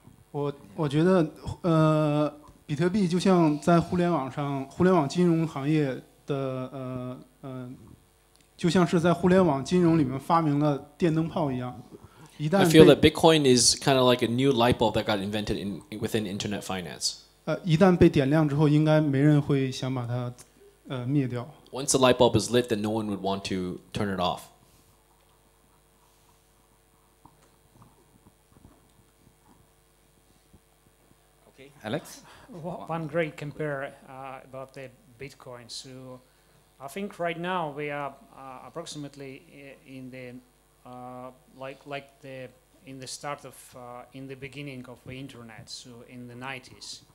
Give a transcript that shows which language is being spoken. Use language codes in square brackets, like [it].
[zh] 我觉得比特币就像在互联网上互联网金融行业的就像是在互联网金融里面发明了电灯泡一样。一旦 [en] I feel that Bitcoin is kind of like a new light bulb that got invented within internet finance. [zh] 一旦被点亮之后应该没人会想把它灭掉。 [en] Once the light bulb is lit, then no one would want to turn it off. Okay, Alex? One great compare about the Bitcoin. So I think right now we are approximately in the beginning of the internet, so in the 90s.